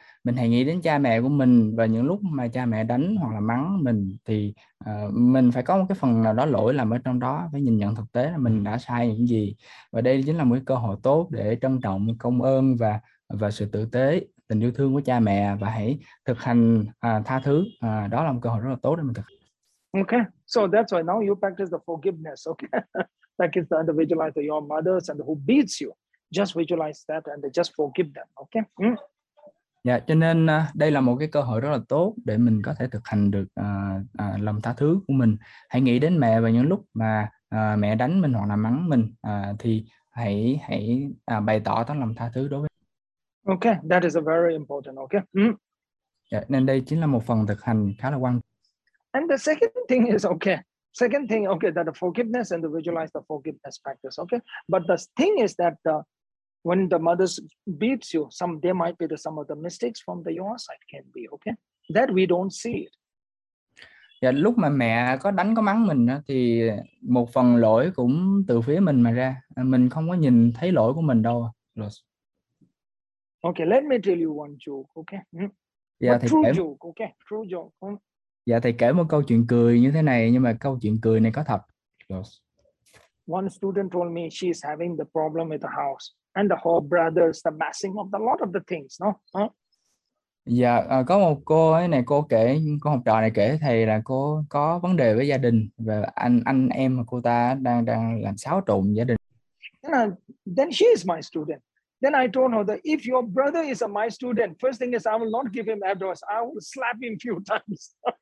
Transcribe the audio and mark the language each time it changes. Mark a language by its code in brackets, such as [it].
[vi] Mình hãy nghĩ đến cha mẹ của mình, và những lúc mà cha mẹ đánh hoặc là mắng mình thì mình phải có một cái phần nào đó lỗi nằm ở trong đó, phải nhìn nhận thực tế là mình đã sai những gì. Và đây chính là một cái cơ hội tốt để trân trọng công ơn và sự tử tế, tình yêu thương của cha mẹ, và hãy thực hành tha thứ. Đó là một cơ hội rất là tốt để mình thực hành. [en] Okay, so that's why now you practice the forgiveness, okay? That is the visualize your mothers and who beats you. Just visualize that and just forgive them, okay? [vi] Dạ, cho nên đây là một cái cơ hội rất là tốt để mình có thể thực hành được lòng tha thứ của mình. Hãy nghĩ đến mẹ và những lúc mà mẹ đánh mình hoặc là mắng mình, thì hãy hãy bày tỏ tấm lòng tha thứ đối với. [en] Okay, that is a very important, okay? [vi] Dạ, nên đây chính là một phần thực hành khá là quan trọng. [en] And the second thing is okay. Second thing, okay, that the forgiveness and the visualize the forgiveness practice, okay. But the thing is that when the mothers beats you, some there might be the, some of the mistakes from the your side can be okay. That we don't see it. [vi] Dạ, lúc mà mẹ có đánh có mắng mình thì một phần lỗi cũng từ phía mình mà ra, mình không có nhìn thấy lỗi của mình đâu. [en] Okay, let me tell you one joke, okay? [vi] Dạ [en] But [vi] thầy [en] true [vi] kể. [en] joke, okay? True joke. [vi] Dạ thầy kể một câu chuyện cười như thế này, nhưng mà câu chuyện cười này có thật. [en] One student told me she is having the problem with the house and the whole brothers, the messing of the lot of the things, no? [vi] Dạ, có một cô ấy này, cô kể, cô học trò này kể thầy là cô có vấn đề với gia đình, và anh em mà cô ta đang đang làm xáo trộn gia đình. [en] Then she is my student. Then I told her that if your brother is a my student, first thing is I will not give him address. I will slap him few times.